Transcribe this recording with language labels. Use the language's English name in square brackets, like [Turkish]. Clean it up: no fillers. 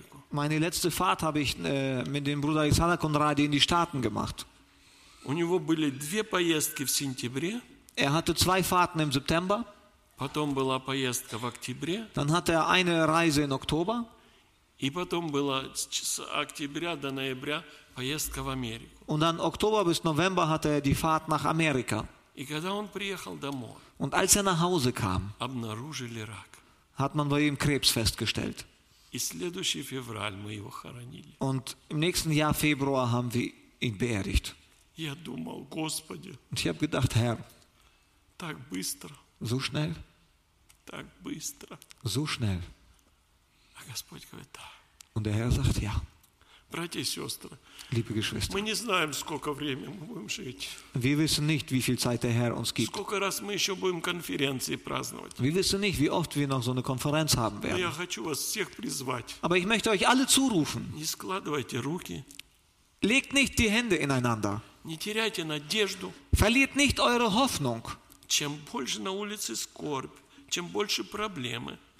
[German] Meine letzte Fahrt habe ich mit dem Bruder Alexander Konradi in die Staaten gemacht. [Russian] У него были две поездки в сентябре. [German] Er hatte zwei Fahrten im September. [Russian] Потом была поездка в октябре. [German] Dann hatte er eine Reise im Oktober. [Russian] И потом была с октября до ноября поездка в Америку. [German] Und dann Oktober bis November hatte er die Fahrt nach Amerika. [Russian] И когда он приехал домой, [German] und als er nach Hause kam, [Russian] обнаружили рак. [German] Hat man bei ihm Krebs festgestellt. [Russian] И следующий февраль мы его хоронили. [German] Und im nächsten Jahr Februar haben wir ihn beerdigt. [Russian] Я думал, Господи. [German] Und ich habe gedacht, Herr. [Russian] Так быстро. [German] So schnell. [Russian] Так быстро. [German] So schnell. [Russian] А Господь говорит, да. [German] Und der Herr sagt, ja. [Russian] Братья и сестры. [German] Liebe Geschwister. [Russian] Мы не знаем, сколько времени мы будем жить. [German] Wir wissen nicht, wie viel Zeit der Herr uns gibt. [Russian] Сколько раз мы еще будем конференции праздновать. [German] Wir wissen nicht, wie oft wir noch so eine Konferenz haben werden. [Russian] Я хочу вас всех призвать. [German] Aber ich möchte euch alle zurufen. [Russian] Не складывайте руки. [German] Legt nicht die Hände ineinander. [Russian] Не теряйте надежду. [German] Verliert nicht eure Hoffnung. [Russian] Чем больше на улице скорбь, чем больше проблемы.